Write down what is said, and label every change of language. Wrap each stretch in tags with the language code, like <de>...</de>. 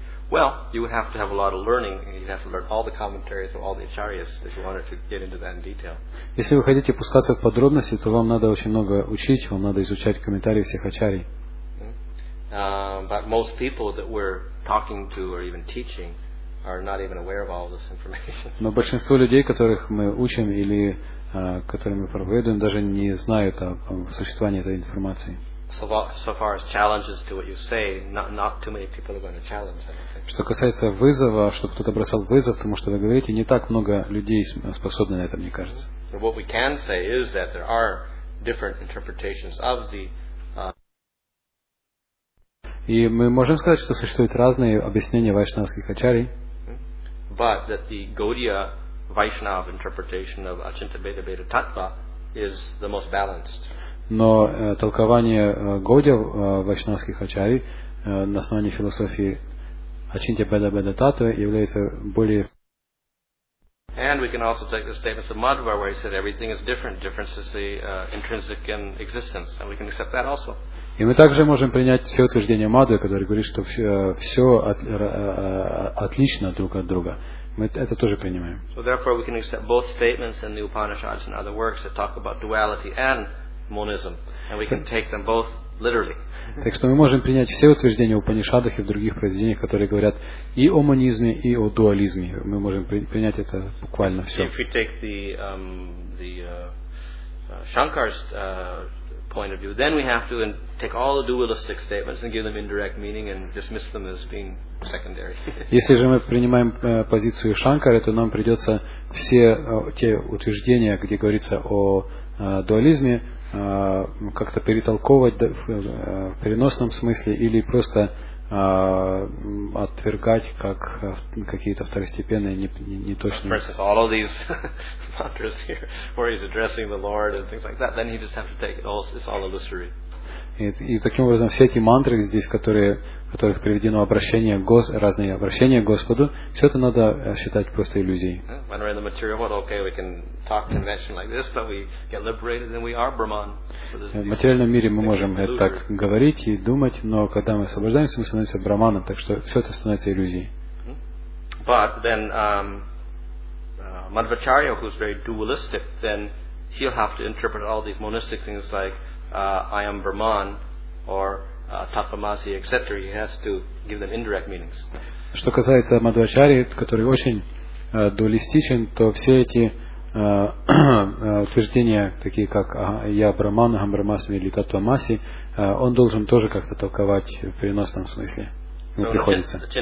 <en>Well, you would have to have a lot of learning. You'd have to learn all the commentaries of all the acharyas if you wanted to get into that in detail.</en> <ru>Если вы хотите пускаться в подробности, то вам надо очень много учить. Вам надо изучать комментарии всех ачарий.</ru> <en>But most people that we're talking to or even teaching are not even aware of all this information.</en> <ru>Но большинство людей, которых мы учим или которым мы проповедуем, даже не знают о существовании этой информации.</ru> <en>So far as challenges to what you say, not too many people are going to challenge anything.</en> <ru>Что касается вызова, чтобы кто-то бросал вызов тому, что вы говорите, не так много людей способны на это, мне кажется.</ru> <en>But what we can say is that there are different interpretations of the</en> <ru>И мы можем сказать, что существуют разные объяснения вайшнавских ачарий.</ru> <en>But that the Gaudiya Vaishnav interpretation of Achinta Bheda Bheda Tattva is the most balanced.</en> <ru>Но толкование Гаудия вайшнавских ачарий на основании философии Achinta Bheda Bheda Tattva является более</ru> <en>And we can also take the statements of Madhva where he said everything is different. Difference is the intrinsic in existence. And we can accept that also.</en> <ru>И мы также можем принять все утверждение Мадхвы, которое говорит, что все отлично друг от друга. Мы это тоже принимаем.</ru> <en>So therefore we can accept both statements in the Upanishads and other works that talk about duality and monism. And we can take them both literally.</en> <ru>Так что мы можем принять все утверждения в Упанишадах и в других произведениях, которые говорят и о монизме, и о дуализме. Мы можем принять это буквально все.</ru> <en>If we take the, Shankar's point of view, then we have to take all the dualistic statements and give them indirect meaning and dismiss them as being secondary.</en> <ru>Если же мы принимаем позицию Шанкара, то нам придется все те утверждения, где говорится о дуализме, как-то перетолковывать в переносном смысле или просто отвергать как какие-то второстепенные неточные.</ru> <en>For instance, all of these mantras here, where he's addressing the Lord and things like that, then he just have to take it all. It's all illusory.</en> <ru>И таким образом все эти мантры здесь, которых приведено обращение разные обращения к Господу, все это надо считать просто иллюзией.</ru> <en>When we're in the material world, okay, we can talk convention like this, but we get liberated and we are Brahman.</en> <ru>В материальном мире мы можем так говорить и думать, но когда мы освобождаемся, мы становимся Браманом, так что все это становится иллюзией.</ru> <en>But then Madhvacharya, who's very dualistic, then he'll have to interpret all these monistic things like I am Brahman or Tapamasi, etc. He has to give them indirect meanings.</en> <ru>Что касается Мадхвачари, который очень дуалистичен, то все эти утверждения, такие как я Брахман, Ахам Брахмасми или Татвамаси, он должен тоже как-то толковать в переносном смысле. Не приходится.</ru>